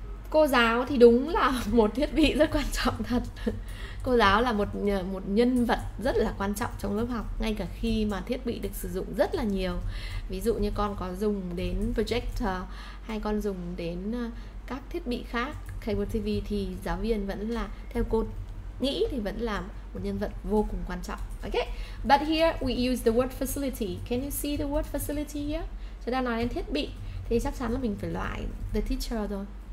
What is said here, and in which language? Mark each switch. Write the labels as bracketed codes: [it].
[vi] Cô giáo thì đúng là một thiết bị rất quan trọng thật. Cô giáo là một nhân vật rất là quan trọng trong lớp học, ngay cả khi mà thiết bị được sử dụng rất là nhiều. Ví dụ như con có dùng đến projector hay con dùng đến các thiết bị khác, cable TV, thì giáo viên vẫn là, theo cô nghĩ thì vẫn là một nhân vật vô cùng quan trọng. [en] Okay, but here we use the word facility. Can you see the word facility here? [vi] Chúng ta nói đến thiết bị thì chắc chắn là mình phải loại the teacher rồi.